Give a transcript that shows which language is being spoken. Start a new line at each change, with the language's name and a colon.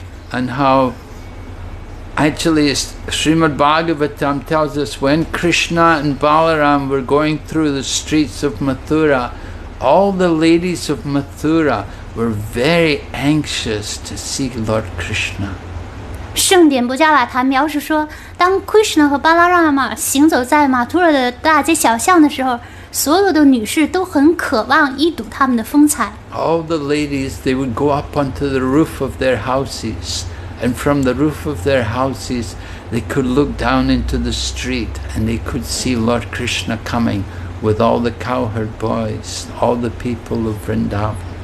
English: And how actually Srimad Bhagavatam tells us when Krishna and Balaram were going through the streets of Mathura, all the ladies of Mathura were very anxious to see Lord Krishna.
Chinese: 圣典不加瓦谭描述说，当 Krishna 和巴拉拉玛行走在马图拉的大街小巷的时候，所有的女士都很渴望一睹他们的风采。
English: All the ladies, they would go up onto the roof of their houses, and from the roof of their houses, they could look down into the street, and they could see Lord Krishna coming with all the cowherd boys, all the people of Vrindavan.